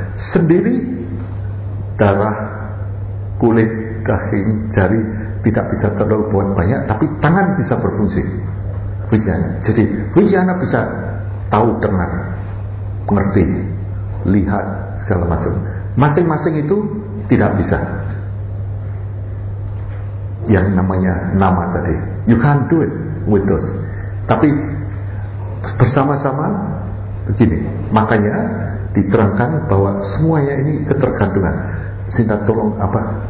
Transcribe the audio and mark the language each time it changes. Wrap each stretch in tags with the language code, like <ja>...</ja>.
<id>Sendiri darah, kulit, daging, jari tidak bisa terlalu buat banyak, tapi tangan bisa berfungsi. Wijnana. Jadi wijnana bisa tahu, dengar, mengerti, lihat segala macam. Masing-masing itu tidak bisa. Yang namanya nama tadi,</id> <en>you can't do it with those.</en> <id>Tapi bersama-sama begini, makanya diterangkan bahwa semuanya ini ketergantungan. Sinta tolong apa?</id>